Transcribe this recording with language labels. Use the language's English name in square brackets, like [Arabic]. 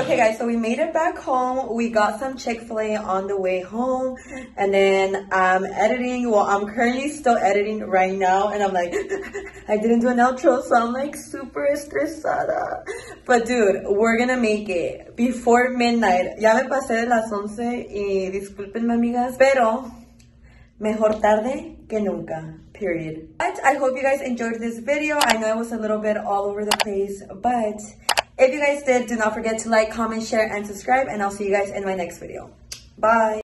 [English] Okay, guys, so we made it back home. We got some Chick-fil-A on the way home. And then I'm editing. Well, I'm currently still editing right now. And I'm like... I didn't do an outro, so I'm like super [Spanish] estresada. [English] But dude, we're gonna make it before midnight. [Spanish] Ya me pasé de las 11 y discúlpenme, amigas. Pero mejor tarde que nunca, period. [English] But I hope you guys enjoyed this video. I know it was a little bit all over the place, but if you guys did not forget to like, comment, share, and subscribe. And I'll see you guys in my next video. Bye.